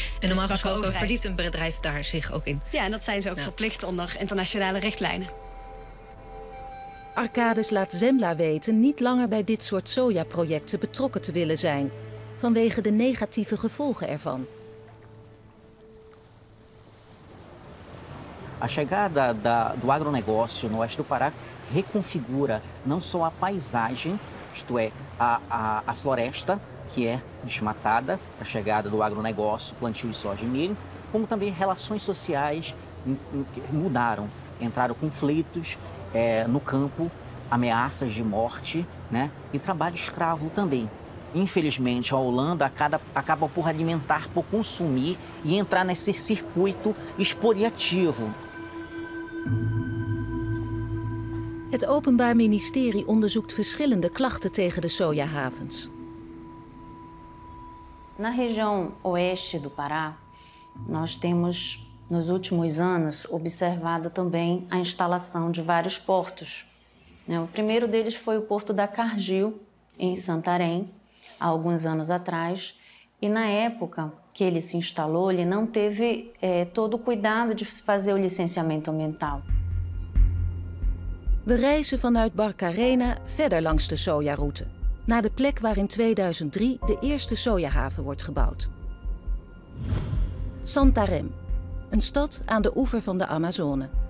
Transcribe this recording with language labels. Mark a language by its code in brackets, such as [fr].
[nl] En normaal gesproken verdient een bedrijf daar zich ook in. Ja, en dat zijn ze ook verplicht onder internationale richtlijnen. Arcadis laat Zembla weten niet langer bij dit soort sojaprojecten betrokken te willen zijn, vanwege de negatieve gevolgen ervan. [pt] A chegada do agronegócio no oeste do Pará reconfigura não só a paisagem, isto é, a floresta, que é desmatada, a chegada do agronegócio, plantio de soja e milho, como também relações sociais mudaram. Entraram conflitos no campo, ameaças de morte, né, e trabalho escravo também. Infelizmente, a Holanda acaba por alimentar, por consumir e entrar nesse circuito expoliativo. [nl] Het Openbaar Ministerie onderzoekt verschillende klachten tegen de sojahavens. [pt] Na região oeste do Pará, nós temos nos últimos anos observado também a instalação de vários portos. O primeiro deles foi o porto da Cargill, em Santarém, há alguns anos atrás. E na época que ele se instalou, ele não teve todo o cuidado de fazer o licenciamento ambiental. [nl] We reizen vanuit Barcarena verder langs de sojaroute, naar de plek waar in 2003 de eerste sojahaven wordt gebouwd. Santarém, een stad aan de oever van de Amazone.